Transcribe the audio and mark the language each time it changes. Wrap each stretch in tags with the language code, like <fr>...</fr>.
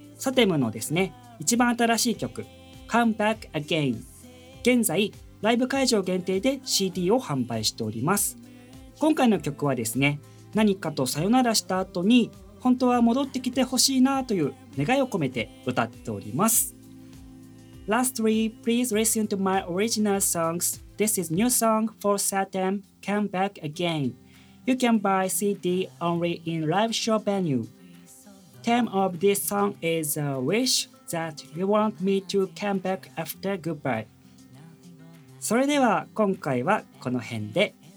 <ja>Satem のですね、一番新しい曲、Come Back Again。現在、ライブ会場限定で CD を販売しております。今回の曲はですね、何かとさよならした後に本当は戻ってきてほしいなという願いを込めて歌っております。</ja> <en>Lastly, please listen to my original songs. This is new song for Satem, Come Back Again. You can buy CD only in live show venue. Theme of this song is a wish that you want me to come back after goodbye.</en> <ja>それでは今回はこの辺で。</ja>